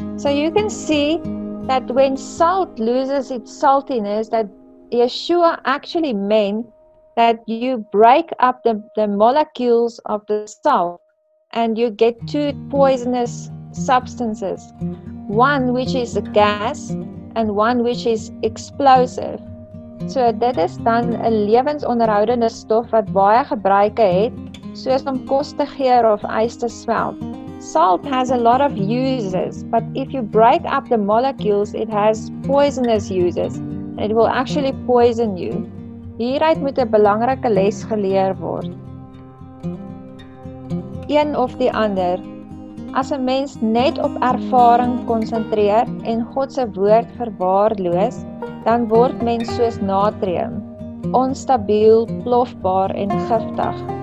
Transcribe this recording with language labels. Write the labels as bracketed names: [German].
[English] So you can see that when salt loses its saltiness, that Yeshua actually meant that you break up the molecules of the salt and you get two poisonous substances. One which is a gas and one which is explosive. [Afrikaans] So dit is dan 'n lewensonderhoudende stof wat baie gebruike het, soos om kos te geer of ys te smelt. [English] Salt has a lot of uses, but if you break up the molecules, it has poisonous uses. It will actually poison you. [Afrikaans] Hieruit moet 'n belangrike les geleer word. Een of die ander. As 'n mens net op ervaring konsentreer en God se woord verwaarloos, dan word mens soos natrium, onstabiel, plofbaar en giftig.